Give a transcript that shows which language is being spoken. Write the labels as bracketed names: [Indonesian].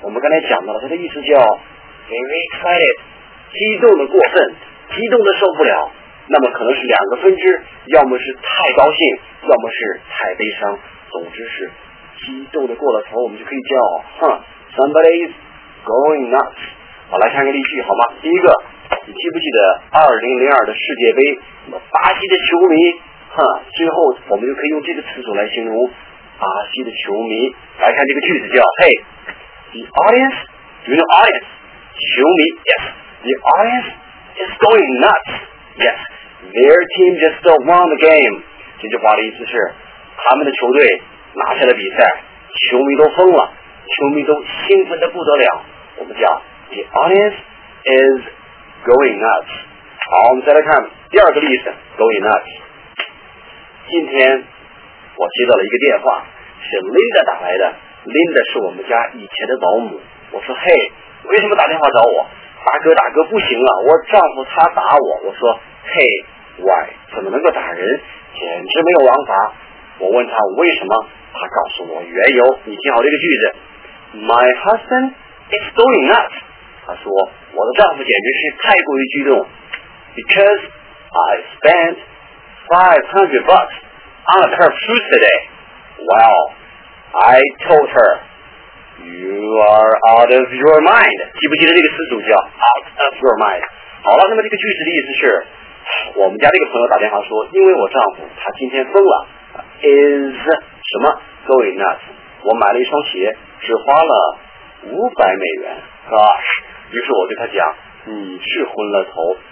[Chinese] 我们刚才讲到了它的意思叫 [English] very excited， [Chinese] 激动的过分，激动的受不了，那么可能是两个分支，要么是太高兴，要么是太悲伤，总之是激动的过了头，我们就可以叫 [English] somebody is going nuts。 [Chinese] 好，来看个例句好吗？第一个，你记不记得2002的世界杯，那么巴西的球迷最后我们就可以用这个词组来形容巴西的球迷。来看这个句子叫 [English] Hey the audience， do you know audience？ [Chinese] 球迷 [English] Yes the audience is going nuts。 Yes, their team just won the game. [Chinese] 这句话的意思是他们的球队拿下了比赛，球迷都疯了，球迷都兴奋得不得了，我们叫 [English] The audience is going nuts. [Chinese] 好，我们再来看第二个例子， [English] going nuts. [Chinese] 今天我接到了一个电话，是 Linda 打来的， Linda 是我们家以前的保姆。我说 Hey， 为什么打电话找我？大哥不行了，我丈夫他打我。我说 [English] Hey why， [Chinese] 怎么能够打人，简直没有王法。我问他为什么，他告诉我缘由。你听好这个句子， [English] My husband is going nuts， [Chinese] 他说我的丈夫简直是太过于激动。 [English] Because I spent $500 on a pair of shoes today. Well I told herYou are out of your mind， [Chinese] 记不记得这个词组叫 [English] out of your mind。 [Chinese] 好了，那么这个句子的意思是我们家这个朋友打电话说因为我丈夫他今天疯了， is 什么 [English] going nuts。 [Chinese] 我买了一双鞋只花了500美元， gosh。 于是我对他讲你是昏了头，